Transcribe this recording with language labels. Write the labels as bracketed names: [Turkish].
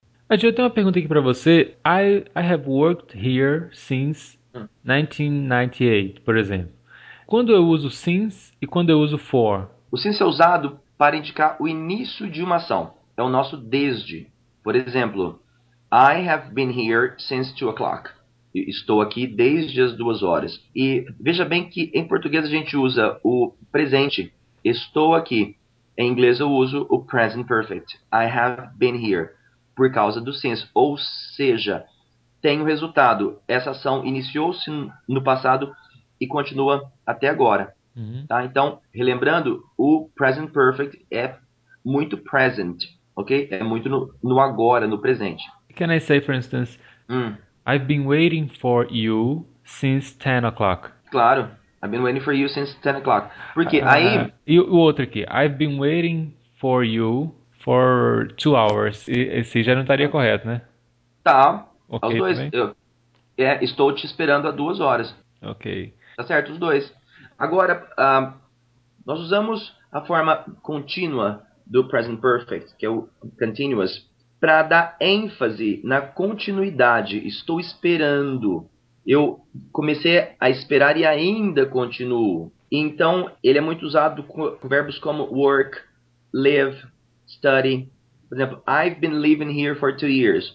[Portuguese] Eu tenho uma pergunta aqui para você. [English] I have worked here since 1998, [Portuguese] por exemplo. Quando eu uso since e quando eu uso for? O since é usado para indicar o início de uma ação. É o nosso desde. Por exemplo, [English] I have been here since 2 o'clock. [Portuguese] Estou aqui desde as 2 horas. E veja bem que em português a gente usa o presente. Estou aqui. Em inglês eu uso o present perfect. [English] I have been here. [Portuguese] Por causa do since. Ou seja, tem o resultado. Essa ação iniciou-se no passado e continua até agora. Tá? Então, relembrando, o present perfect é muito present, ok? É muito no agora, no presente. [English] Can I say, for instance, I've been waiting for you since 10 o'clock? [Portuguese] Claro, [English] I've been waiting for you since 10 o'clock. [Portuguese] Porque aí. E o outro aqui, [English] I've been waiting for you for 2 hours. [Portuguese] Esse já não estaria correto, né? Tá, os Ok dois. também? Estou te esperando há 2 horas. Ok. Tá certo, os dois. Agora, nós usamos a forma contínua do present perfect, que é o continuous, para dar ênfase na continuidade. Estou esperando. Eu comecei a esperar e ainda continuo. Então, ele é muito usado com verbos como work, live, study. Por exemplo, [English] I've been living here for 2 years.